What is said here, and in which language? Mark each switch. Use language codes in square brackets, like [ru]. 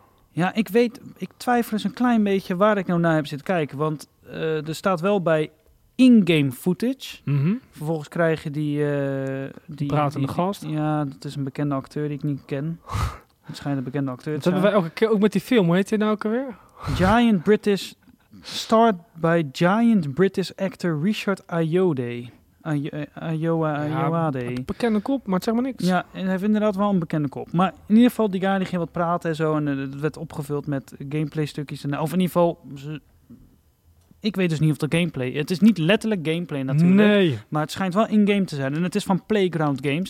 [nl] Ja, ik twijfel eens een klein beetje waar ik nou naar heb zitten kijken. Want er staat wel bij in-game footage. Mm-hmm. Vervolgens krijg je die pratende gast. Ja, dat is een bekende acteur die ik niet ken. Het schijnt een bekende acteur te zijn. Dat hebben wij elke keer ook met die film. Hoe heet hij nou ook alweer? [en] Giant British. Start by giant British actor Richard Ayoade. [nl] Ayoade. Ja, bekende kop, maar het zegt maar niks. Ja, hij heeft inderdaad wel een bekende kop. Maar in ieder geval, die guy die ging wat praten en zo. En het werd opgevuld met gameplay stukjes. Of in ieder geval, ik weet dus niet of dat gameplay. Het is niet letterlijk gameplay natuurlijk. Nee. Maar het schijnt wel in-game te zijn. En het is van Playground Games.